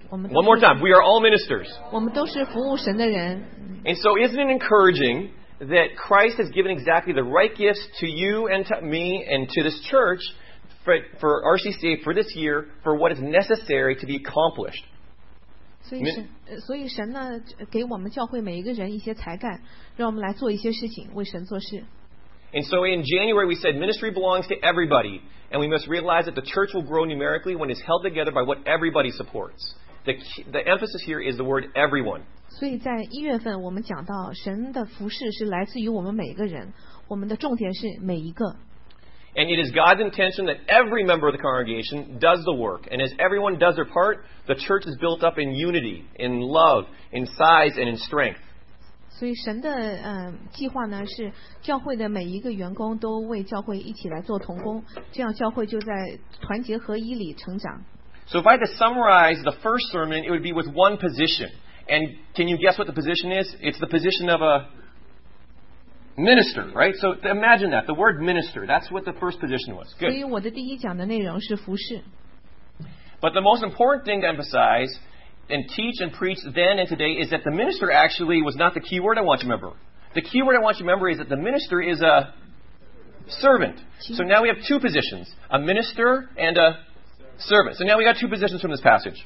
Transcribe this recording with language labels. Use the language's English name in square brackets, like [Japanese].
[English] One more time, we are all ministers. [Chinese] 我们都是服务神的人。 [English] And so isn't it encouraging that Christ has given exactly the right gifts to you and to me and to this church for RCCA for this year for what is necessary to be accomplished? [Chinese] 所以神呢，给我们教会每一个人一些才干，让我们来做一些事情，为神做事。 [English] And so in January, we said ministry belongs to everybody, and we must realize that the church will grow numerically when it's held together by what everybody supports. The emphasis here is the word everyone. [Chinese] 所以在一月份我们讲到神的服事是来自于我们每一个人，我们的重点是每一个。 [English] And it is God's intention that every member of the congregation does the work, and as everyone does their part, the church is built up in unity, in love, in size, and in strength. [Chinese] 所以神的计划呢是教会的每一个员工都为教会一起来做同工，这样教会就在团结合一里成长。 [English] So if I had to summarize the first sermon, it would be with one position. And can you guess what the position is? It's the position of a minister, right? So imagine that, the word minister, that's what the first position was. Good. [Chinese] 所以我的第一讲的内容是服事。 [English] But the most important thing to emphasize,and teach and preach then and today is that the minister actually was not the key word I want you to remember. The key word I want you to remember is that the minister is a servant. So now we have two positions, a minister and a servant. So now we got two positions from this passage.